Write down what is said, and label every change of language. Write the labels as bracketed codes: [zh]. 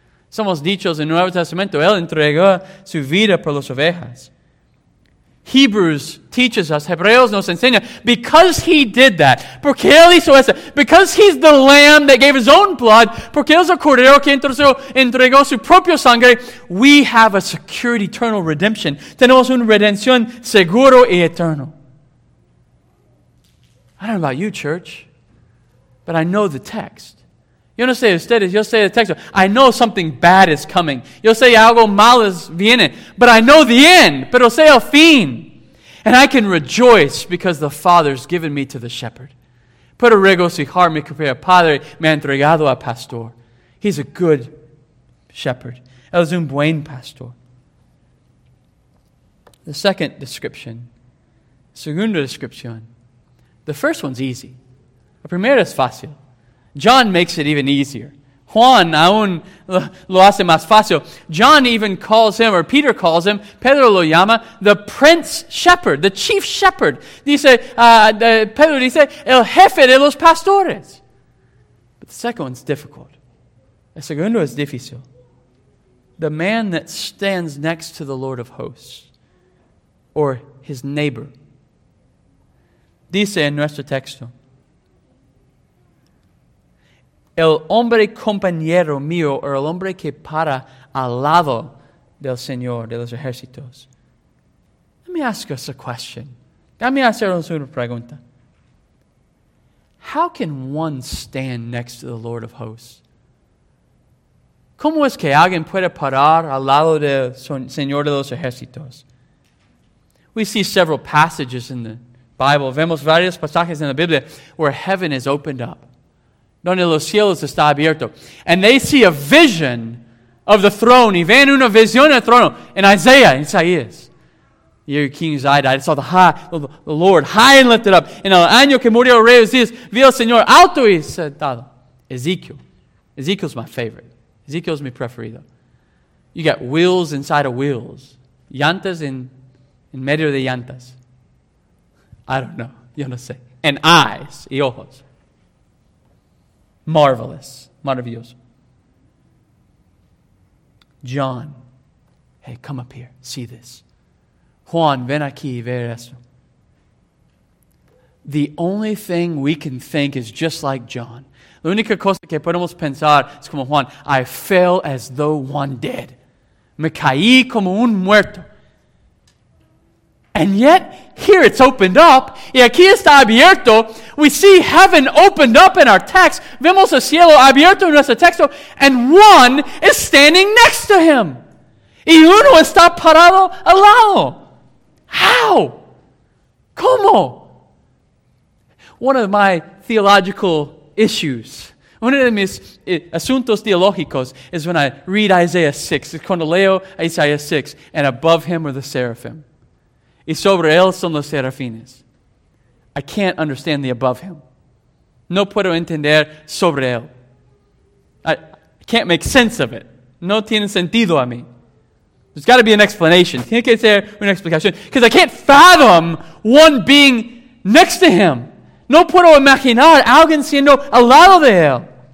[es] Somos dichos en el Nuevo Testamento, él entregó su vida por las ovejas. [en] Hebrews teaches us, [es] Hebreos nos enseña, [en] because he did that, [es] porque él hizo eso, [en] because he's the lamb that gave his own blood, [es] porque él es el cordero que entregó su propio sangre, [en] we have a secured eternal redemption. [es] Tenemos una redención seguro y eterno. [en] I don't know about you, church, but I know the text. [es] Yo no sé ustedes, yo sé el texto. [en] I know something bad is coming. [es] Yo sé algo malo viene. [en] But I know the end. [es] Pero sé el fin. [en] And I can rejoice because the Father's given me to the shepherd. [es] Puedo regocijar mi compañero. Padre me ha entregado al pastor. [en] He's a good shepherd. [es] Él es un buen pastor. [en] The second description. [es] Segunda descripción. [en] The first one's easy. [es] La primera es fácil. [en] John makes it even easier. [es] Juan aún lo hace más fácil. [en] John even calls him, or Peter calls him, [es] Pedro lo llama, [en] the prince shepherd, the chief shepherd. [es] Dice, Pedro dice, el jefe de los pastores. [en] But the second one's difficult. [es] El segundo es difícil. [en] The man that stands next to the Lord of hosts, or his neighbor. [es] Dice en nuestro texto, el hombre compañero mío, o el hombre que para al lado del Señor de los ejércitos. [en] Let me ask us a question. Let me [es] hacer una pregunta. [en] How can one stand next to the Lord of hosts? [es] ¿Cómo es que alguien puede parar al lado del Señor de los ejércitos? [en] We see several passages in the Bible. [es] Vemos varios pasajes en la Biblia [en] where heaven is opened up. [es] Donde los cielos está abierto. [en] And they see a vision of the throne. [es] Y ven una visión del trono. [en] In Isaiah, in Isaías. The year King Uzziah died, I saw the Lord high and lifted up. [es] En el año que murió el rey Uzzías, vi al Señor alto y sentado. [en] Ezekiel. Ezekiel's my favorite. Ezekiel's [es] mi preferido. [en] You got wheels inside of wheels. [es] Llantas en medio de llantas. [en] I don't know. [es] Yo no sé. [en] And eyes [es] y ojos. [en] Marvelous, maravilloso. John, hey, come up here, see this. [es] Juan, ven aquí, ver esto. [en] The only thing we can think is just like John. [es] La única cosa que podemos pensar es como Juan, [en] I fell as though one dead. [es] Me caí como un muerto. [en] And yet, here it's opened up. [es] Y aquí está abierto. [en] We see heaven opened up in our text. [es] Vemos el cielo abierto en nuestro texto. [en] And one is standing next to him. [es] Y uno está parado al lado. How? ¿Cómo? [en] One of my theological issues, one of [es] mis asuntos teológicos, [en] is when I read Isaiah 6. [es] Es cuando leo Isaiah 6. [en] And above him are the seraphim. [es] Y sobre él son los serafines. [en] I can't understand the above him. [es] No puedo entender sobre él. [en] I can't make sense of it. [es] No tiene sentido a mí. [en] There's got to be an explanation. [es] Tiene que ser una explicación. [en] Because I can't fathom one being next to him. [es] No puedo imaginar alguien siendo al lado de él.